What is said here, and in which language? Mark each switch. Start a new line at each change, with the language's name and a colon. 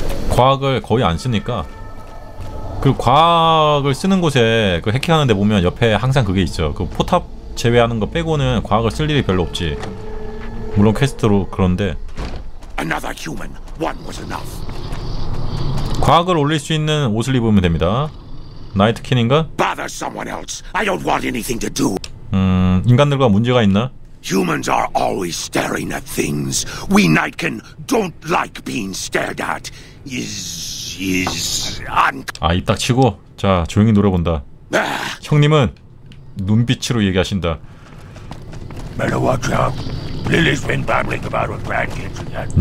Korean: 과학을 거의 안 쓰니까. 그리고 과학을 쓰는 곳에 그 해킹하는 데 보면 옆에 항상 그게 있어. 그 포탑 제외하는 거 빼고는 과학을 쓸 일이 별로 없지. 물론 퀘스트로 그런데.
English: Another human. One was enough.
Korean: 과학을 올릴 수 있는 옷을 입으면 됩니다. 나이트킨인가?
English: Bother someone else. I don't want anything to do.
Korean: 인간들과 문제가 있나?
English: Humans are always staring at things. We Nightkin don't like being stared at. Is un.
Korean: 아, 입 딱 치고 자 조용히 노려본다. 형님은 눈빛으로 얘기하신다.
English: Better watch out. Lily's been babbling about with grandkids.